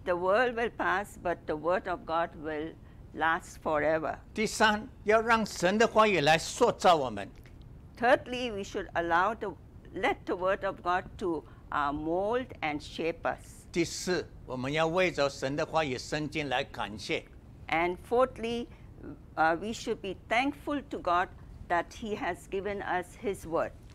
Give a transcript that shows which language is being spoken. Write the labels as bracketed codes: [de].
[en] the world will pass, but the Word of God will last forever. [zh] 第三，要让神的话语来塑造我们。Thirdly, [en] we should allow let the word of God to mold and shape us. [zh] 第四，我们要为着神的话语圣经来感谢。And [en] fourthly, we should be thankful to God that He has given us His word.